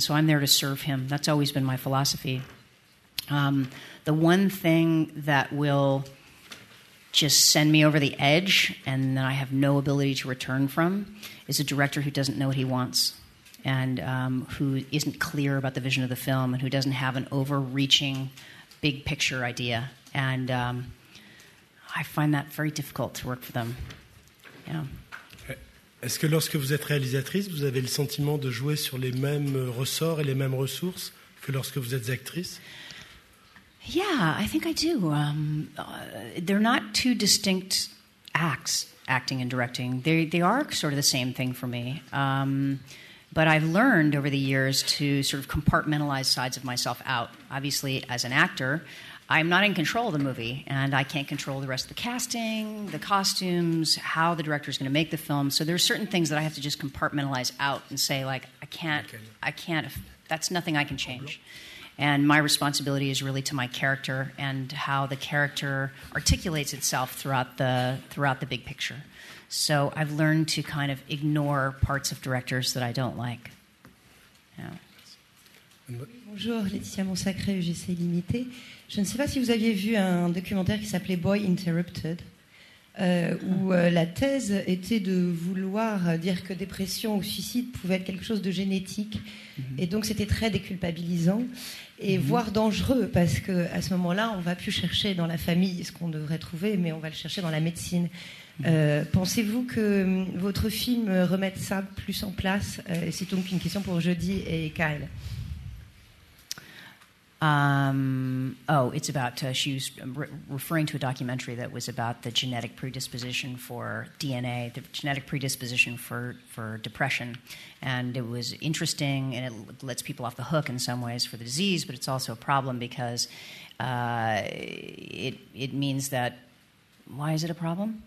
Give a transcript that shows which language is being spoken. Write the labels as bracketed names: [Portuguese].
[English] So I'm there to serve him. That's always been my philosophy. The one thing that will just send me over the edge and that I have no ability to return from is a director who doesn't know what he wants and who isn't clear about the vision of the film and who doesn't have an overreaching big picture idea. And I find that very difficult to work for them. Yeah. [French] Est-ce que lorsque vous êtes réalisatrice, vous avez le sentiment de jouer sur les mêmes ressorts et les mêmes ressources que lorsque vous êtes actrice? [English] Yeah, I think I do. They're not two distinct acts, acting and directing. They are sort of the same thing for me. But I've learned over the years to sort of compartmentalize sides of myself out. Obviously, as an actor, I'm not in control of the movie, and I can't control the rest of the casting, the costumes, how the director's going to make the film. So there are certain things that I have to just compartmentalize out and say, like, I can't, that's nothing I can change. And my responsibility is really to my character and how the character articulates itself throughout the big picture. So I've learned to kind of ignore parts of directors that I don't like. Yeah. [French] Bonjour, Laetitia Monsacré, UGC Illimité. Je ne sais pas si vous aviez vu un documentaire qui s'appelait Boy Interrupted. où la thèse était de vouloir dire que dépression ou suicide pouvait être quelque chose de génétique. Mm-hmm. Et donc c'était très déculpabilisant et mm-hmm. voire dangereux, parce que à ce moment-là, on ne va plus chercher dans la famille ce qu'on devrait trouver, mais on va le chercher dans la médecine. Pensez-vous que votre film remette ça plus en place? C'est donc une question pour Jeudi et Kyle. [English] It's about she was referring to a documentary that was about the genetic predisposition for DNA, the genetic predisposition for depression, and it was interesting and it lets people off the hook in some ways for the disease, but it's also a problem because it means that. Why is it a problem?